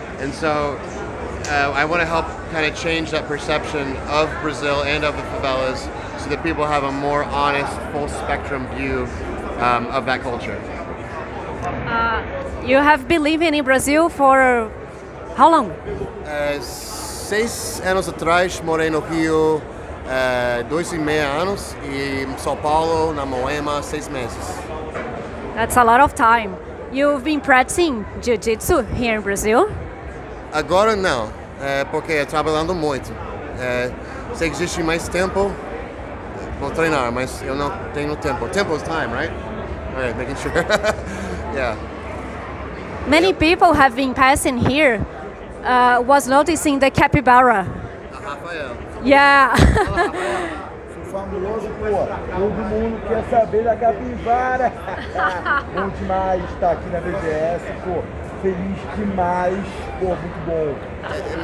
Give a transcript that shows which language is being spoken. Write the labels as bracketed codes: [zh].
[en] And so I want to help kind of change that perception of Brazil and of the favelas so that people have a more honest, full-spectrum view of that culture. You have been living in Brazil for how long? [pt] 6 anos atrás, morei no Rio, 2.5 anos, e em São Paulo, na Moema, 6 meses. [en] That's a lot of time. You've been practicing jiu-jitsu here in Brazil? [pt] Agora não, porque eu trabalhando muito. Se existe mais tempo, vou treinar, mas eu não tenho tempo. [en] Tempo is time, right? All right, making sure. Yeah. Many people have been passing here, was noticing the capybara. Rafael. Yeah. [pt] Fabuloso, pô. Todo mundo quer saber da capivara. Bom demais estar aqui na BGS, pô. Feliz demais, pô, muito bom.